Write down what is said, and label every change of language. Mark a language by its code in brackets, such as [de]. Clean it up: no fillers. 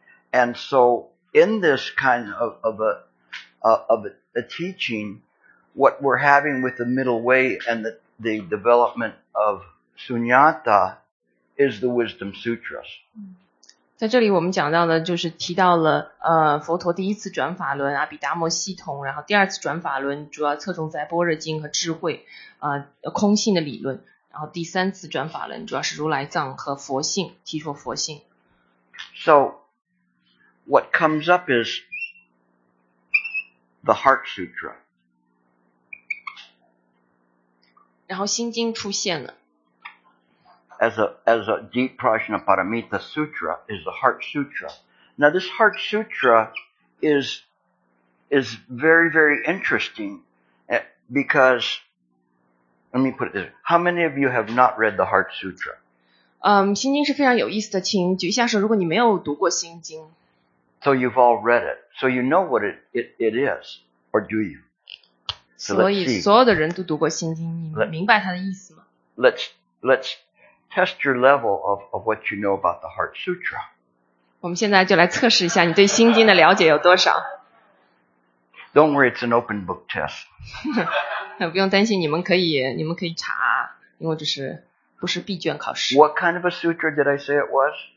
[en] And so in this kind of a teaching, what we're having with the middle way and the development of sunyata is the wisdom sutras. [zh] 在这里我们讲到的就是提到了佛陀第一次转法轮阿毗达摩系统，然后第二次转法轮主要侧重在般若经和智慧空性的理论，然后第三次转法轮主要是如来藏和佛性，提出佛性。 [en] So what comes up is the Heart Sutra. [zh] 然后心经出现了。 [en] As a deep Prajnaparamita sutra is the Heart Sutra. Now this Heart Sutra is very, very interesting because, let me put it this way, how many of you have not read the Heart Sutra? [zh] 心经是非常有意思的，请举一下手如果你没有读过心经。 [en] So you've all read it, so you know what it is, or do you? So [zh] 所以所有的人都读过心经，你们明白它的意思吗？ [en] Let's test your level of what you know about the Heart Sutra. [zh] 我们现在就来测试一下你对心经的了解有多少。 [en] Don't worry, it's an open book test. [zh] 不用担心，你们可以查，因为这是不是闭卷考试。 [en] What kind of a sutra did I say it was?